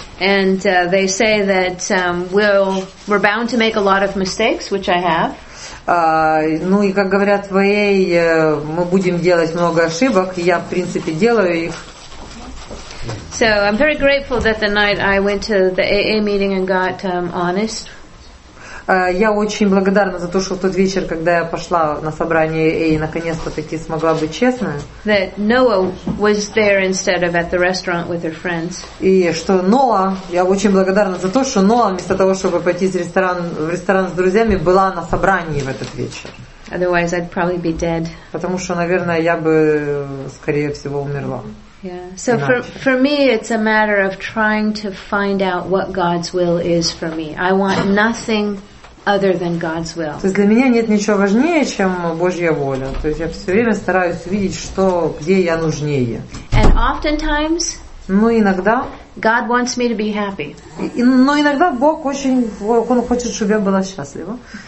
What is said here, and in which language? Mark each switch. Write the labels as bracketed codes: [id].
[en] And they say that we're bound to make a lot of mistakes, which I have. [ru] Ну и как говорят в АА, мы будем делать много ошибок, и я в принципе делаю их. [en] So I'm very grateful that the night I went to the AA meeting and got honest. [ru] Я очень благодарна за то, что в тот вечер, когда я пошла на собрание AA, и наконец-то таки смогла быть честной. [en] That Noah was there instead of at the restaurant with her friends. [ru] И что Noah, я очень благодарна за то, что Noah вместо того, чтобы пойти в ресторан с друзьями, была на собрании в этот вечер. [en] Otherwise, I'd probably be dead. [ru] Потому что, наверное, я бы, скорее всего, умерла. [en] Yeah. So for me, it's a matter of trying to find out what God's will is for me. I want nothing other than God's will. [ru] То есть для меня нет ничего важнее, чем Божья воля. То есть я все время стараюсь видеть, что где я нужнее. [en] And oftentimes. [ru] Но иногда. [en] God wants me to be happy. [ru] Но иногда Бог очень, он хочет, чтобы я была счастлива.